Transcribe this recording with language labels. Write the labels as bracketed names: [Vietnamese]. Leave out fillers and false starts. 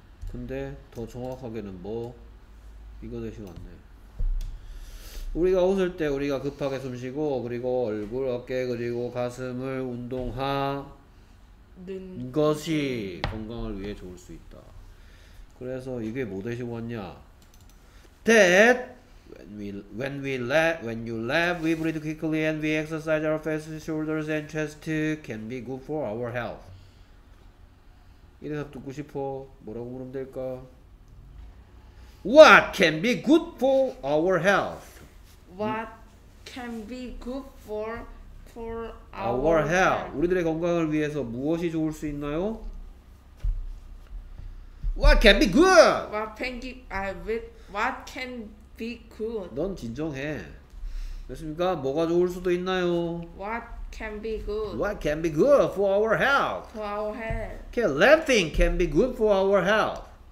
[Korean] 근데 더 정확하게는 뭐 이거 대신 왔네. 우리가 웃을 때 우리가 급하게 숨 쉬고 그리고 얼굴, 어깨, 그리고 가슴을 운동하 는 것이 것이 건강을 위해 좋을 수 있다. 그래서 이게 뭐 대신 왔냐? [English] That when you laugh, we breathe quickly and we exercise our faces, shoulders, and chest can be good for our health. [Korean] 이래서 듣고 싶어. 뭐라고 물으면 될까? [English] What can be good for our health? What can be good for Our our health. health? [Korean] 우리들의 건강을 위해서 무엇이 좋을 수 있나요? [English] What can be good? What can be good? [Korean] 넌 진정해. 됐습니까? 뭐가 좋을 수도 있나요? [English] What can be good. What can be good for our health? For our health. Okay, laughing can be good for our health.